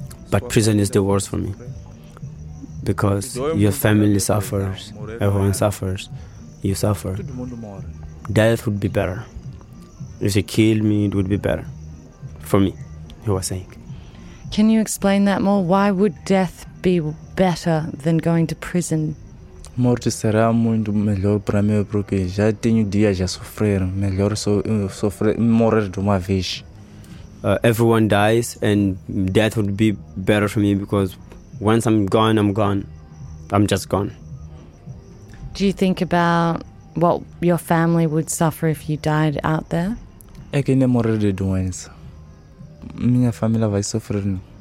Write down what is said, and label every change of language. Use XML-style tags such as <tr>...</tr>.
<en>But prison is the worst for me. Because your family suffers, everyone suffers, you suffer. Death would be better. If you kill me, it would be better. For me, he was saying. Can you explain that more? Why would death be better than going to prison?</en> <pt>Morte será muito melhor para mim porque já tenho dias a sofrer. Melhor sofrer, morrer de uma vez.</pt> <en>Everyone dies and death would be better for me because once I'm gone, I'm gone. I'm just gone. Do you think about what your family would suffer if you died out there?</en> <pt>É que nem morrer de doença. Minha família vai sofrer.</pt>